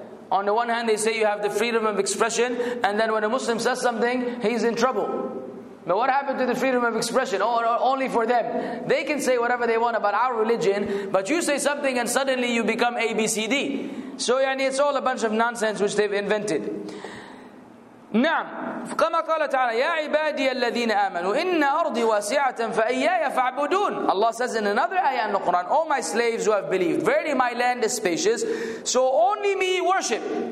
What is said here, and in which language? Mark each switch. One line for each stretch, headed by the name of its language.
English: On the one hand, they say you have the freedom of expression. And then when a Muslim says something, he's in trouble. But what happened to the freedom of expression? Or only for them. They can say whatever they want about our religion. But you say something and suddenly you become ABCD. So yani, it's all a bunch of nonsense which they've invented.
Arabic: نعم كما قال تعالى يا عبادي الذين آمنوا إن أرضي واسعة فإياي فاعبدون.
English: Allah says in another ayah in the Quran, O my slaves who have believed, verily my land is spacious, so only me worship.